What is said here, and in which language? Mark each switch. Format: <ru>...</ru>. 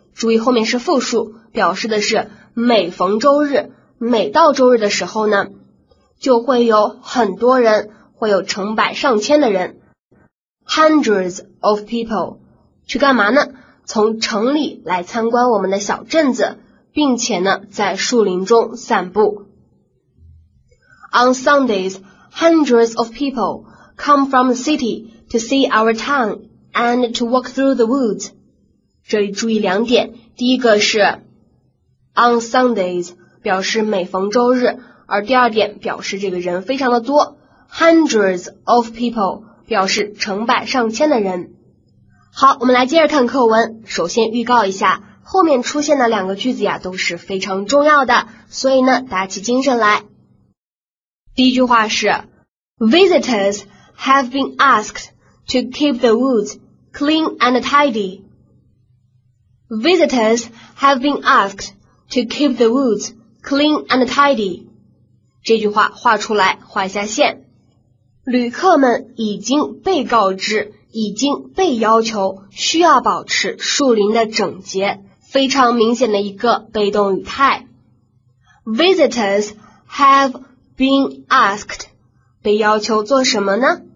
<zh>注意后面是复数，表示的是每逢周日，每到周日的时候呢，就会有很多人，会有成百上千的人。</zh> <en>Hundreds of people</en> <zh>去干嘛呢？从城里来参观我们的小镇子，并且呢在树林中散步。</zh> <en>On Sundays, hundreds of people come from the city to see our town and to walk through the woods.</en> <zh>这里注意两点，第一个是 On Sundays 表示每逢周日，而第二点表示这个人非常的多。</zh> <en>Hundreds of people</en> <zh>表示成百上千的人。好，我们来接着看课文。首先预告一下，后面出现的两个句子呀都是非常重要的，所以呢打起精神来。第一句话是</zh> <en>Visitors have been asked to keep the woods clean and tidy. Visitors have been asked to keep the woods clean and tidy.</en> <zh>这句话画出来，画一下线。旅客们已经被告知，已经被要求需要保持树林的整洁，非常明显的一个被动语态。</zh> <en>Visitors have been asked</en> <zh>被要求做什么呢？</zh>